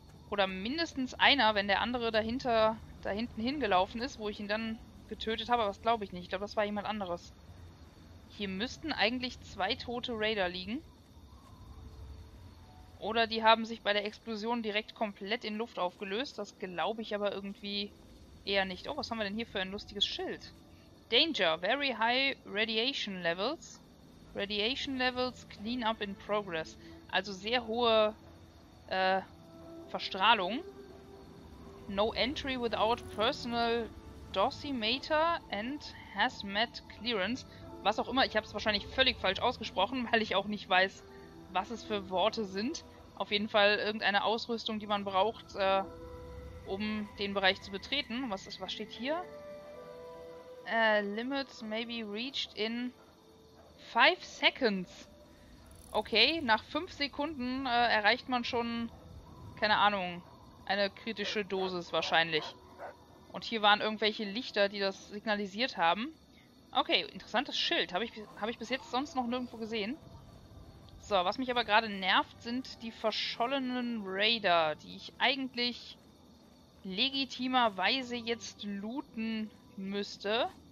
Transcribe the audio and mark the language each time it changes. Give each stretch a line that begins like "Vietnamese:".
German: Oder mindestens einer, wenn der andere dahinter, da hinten hingelaufen ist, wo ich ihn dann getötet habe. Aber das glaube ich nicht. Ich glaube, das war jemand anderes. Hier müssten eigentlich zwei tote Raider liegen. Oder die haben sich bei der Explosion direkt komplett in Luft aufgelöst. Das glaube ich aber irgendwie eher nicht. Oh, was haben wir denn hier für ein lustiges Schild?
English: Danger, very high radiation levels. Radiation levels, clean up in progress.
German: Also sehr hohe Verstrahlung.
English: No entry without personal dosimeter and hazmat clearance.
German: Was auch immer, ich habe es wahrscheinlich völlig falsch ausgesprochen, weil ich auch nicht weiß, was es für Worte sind. Auf jeden Fall irgendeine Ausrüstung, die man braucht, um den Bereich zu betreten. Was ist, was steht hier?
English: Limits may be reached in 5 seconds.
German: Okay, nach 5 Sekunden erreicht man schon, keine Ahnung, eine kritische Dosis wahrscheinlich. Und hier waren irgendwelche Lichter, die das signalisiert haben. Okay, interessantes Schild. Habe ich bis jetzt sonst noch nirgendwo gesehen. So, was mich aber gerade nervt, sind die verschollenen Raider, die ich eigentlich legitimerweise jetzt looten müsste.